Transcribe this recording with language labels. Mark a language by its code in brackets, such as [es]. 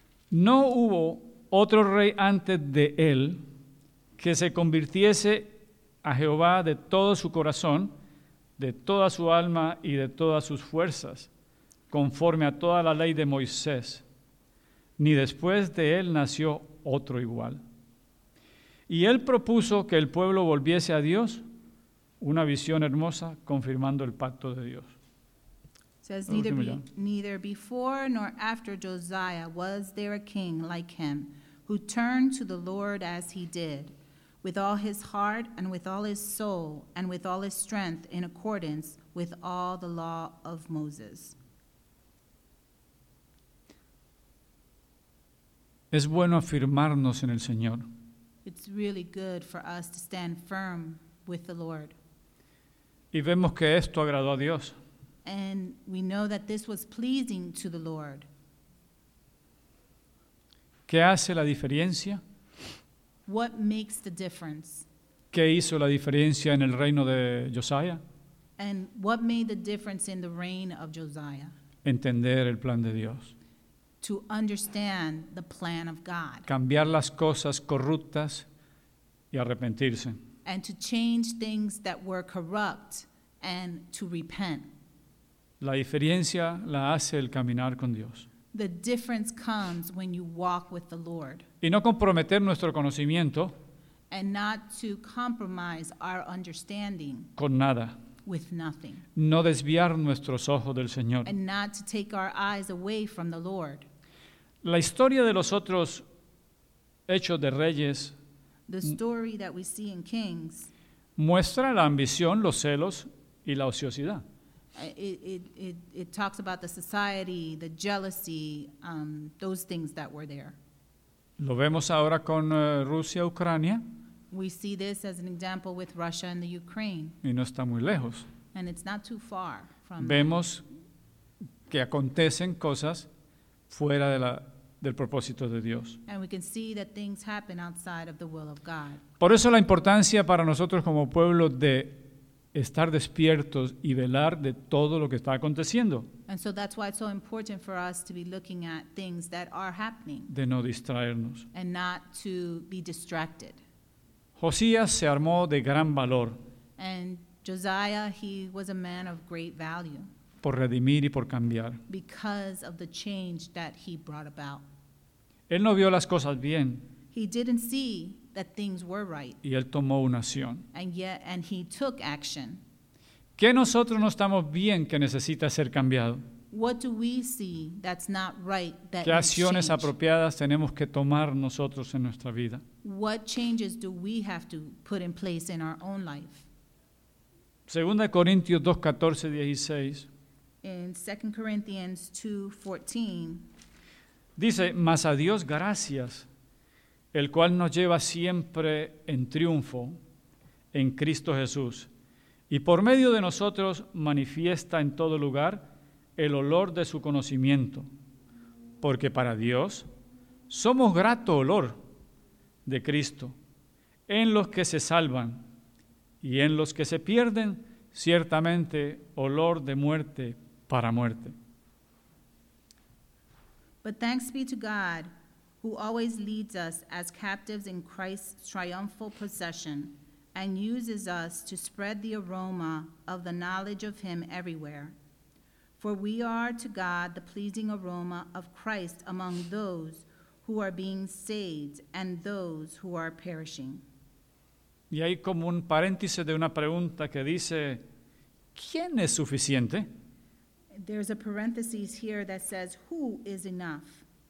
[es] No hubo otro rey antes de él que se convirtiese a Jehová de todo su corazón, de toda su alma y de todas sus fuerzas, conforme a toda la ley de Moisés. Ni después de él nació otro igual. Y él propuso que el pueblo volviese a Dios, una visión hermosa confirmando el pacto de Dios. [en] Says, neither before nor after Josiah was there a king like him who turned to the Lord as he did, with all his heart and with all his soul and with all his strength in accordance with all the law of Moses. [es] Es bueno afirmarnos en el Señor. [en] It's really good for us to stand firm with the Lord. [es] Y vemos que esto agradó a Dios. [en] And we know that this was pleasing to the Lord. [es] ¿Qué hace la diferencia? [en] What makes the difference? [es] ¿Qué hizo la diferencia en el reino de Josiah? [en] And what made the difference in the reign of Josiah? [es] Entender el plan de Dios. [en] To understand the plan of God. [es] Cambiar las cosas corruptas y arrepentirse. [en] And to change things that were corrupt and to repent. [es] La diferencia la hace el caminar con Dios. [en] The difference comes when you walk with the Lord. [es] Y no comprometer nuestro conocimiento. [en] And not to compromise our understanding. [es] Con nada. [en] With nothing. [es] No desviar nuestros ojos del Señor. [en] And not to take our eyes away from the Lord. [es] La historia de los otros hechos de reyes. [en] The story that we see in Kings. [es] Muestra la ambición, los celos y la ociosidad. [en] It talks about the society, the jealousy, those things that were there. [es] Lo vemos ahora con Rusia, Ucrania. [en] We see this as an example with Russia and the Ukraine. [es] Y no está muy lejos. [en] And it's not too far from. [es] Vemos que acontecen cosas fuera de del propósito de Dios. [en] And we can see that things happen outside of the will of God. [es] Por eso la importancia para nosotros como pueblo de estar despiertos y velar de todo lo que está aconteciendo. [en] And so that's why it's so important for us to be looking at things that are happening. [es] De no distraernos. [en] And not to be distracted. [es] Josías se armó de gran valor. [en] And Josiah, he was a man of great value. [es] Por redimir y por cambiar. [en] Because of the change that he brought about. [es] Él no vio las cosas bien. [en] He didn't see that things were right. [es] Y él tomó una acción. [en] And he took action. [es] ¿Qué nosotros no estamos bien que necesita ser cambiado? [en] What do we see that's not right that needs [es] ¿Qué acciones apropiadas tenemos que tomar nosotros en nuestra vida? [en] What changes do we have to put in place in our own life? [es] 2 Corintios 2, 14, 16. [en] In 2 Corinthians 2, 14. [es] Dice, mas a Dios gracias, el cual nos lleva siempre en triunfo en Cristo Jesús, y por medio de nosotros manifiesta en todo lugar el olor de su conocimiento, porque para Dios somos grato olor de Cristo, en los que se salvan y en los que se pierden, ciertamente olor de muerte para muerte. [en] But thanks be to God, who always leads us as captives in Christ's triumphal procession and uses us to spread the aroma of the knowledge of him everywhere. For we are to God the pleasing aroma of Christ among those who are being saved and those who are perishing. [es] Y hay como un paréntesis de una pregunta que dice, ¿quién es suficiente? [en] There's a parenthesis here that says, who is enough?